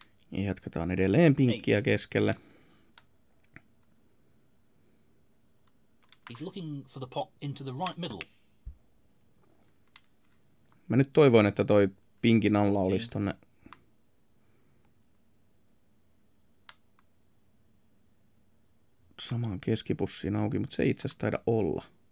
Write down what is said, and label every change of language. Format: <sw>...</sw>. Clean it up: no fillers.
<fi>Ja jatketaan edelleen pinkkiä keskelle.</fi> <en>He's looking for the pot into the right middle.</en> <fi>Mä nyt toivoin, että toi pinkin alla olisi tonne. Samaan keskipussiin auki, mutta se ei itse asiassa taida olla.</fi>